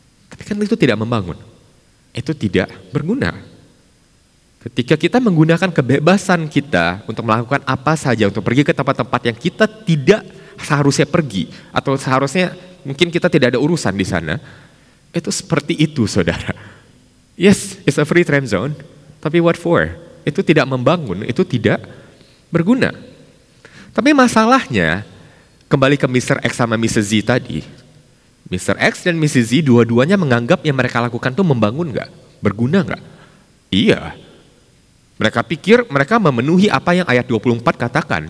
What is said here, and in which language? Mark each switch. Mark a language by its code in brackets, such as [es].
[id] Tapi kan itu tidak membangun. Itu tidak berguna. Ketika kita menggunakan kebebasan kita untuk melakukan apa saja, untuk pergi ke tempat-tempat yang kita tidak seharusnya pergi, atau seharusnya mungkin kita tidak ada urusan di sana, itu seperti itu, saudara. [en] Yes, it's a free time zone, [id] tapi [en] what for? [id] Itu tidak membangun, itu tidak berguna. Tapi masalahnya, kembali ke Mr. X sama Mrs. Z tadi, Mr. X dan Mrs. Z dua-duanya menganggap yang mereka lakukan itu membangun gak? Berguna gak? Iya. Mereka pikir mereka memenuhi apa yang ayat 24 katakan.